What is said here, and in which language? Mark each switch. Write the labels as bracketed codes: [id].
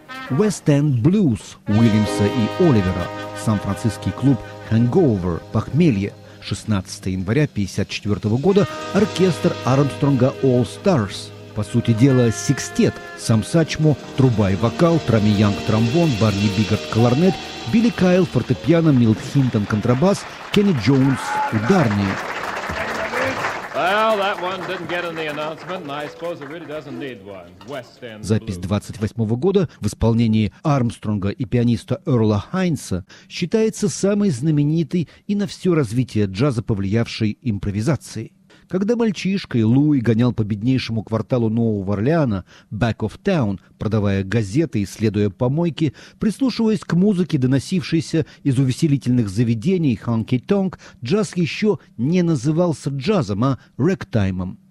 [ru] West End Blues Уильямса и Оливера, Сан-Франциский клуб Hangover, похмелье, 16 января 1954 года, оркестр Армстронга All Stars, по сути дела секстет, сам Сачмо, труба и вокал, Трами Янг тромбон, Барни Бигард кларнет, Билли Кайл фортепиано, Милт Хинтон контрабас, Кенни Джонс ударные. [en] Well, that one didn't get in the announcement, and I suppose it really doesn't need one. West End Blues. [ru] Запись 28-го года в исполнении Армстронга и пианиста Эрла Хайнса считается самой знаменитой и на все развитие джаза повлиявшей импровизацией. Когда мальчишкой Луи гонял по беднейшему кварталу Нового Орлеана, Back of Town, продавая газеты и следуя помойке, прислушиваясь к музыке, доносившейся из увеселительных заведений Honky Tonk, джаз еще не назывался джазом, а рэгтаймом.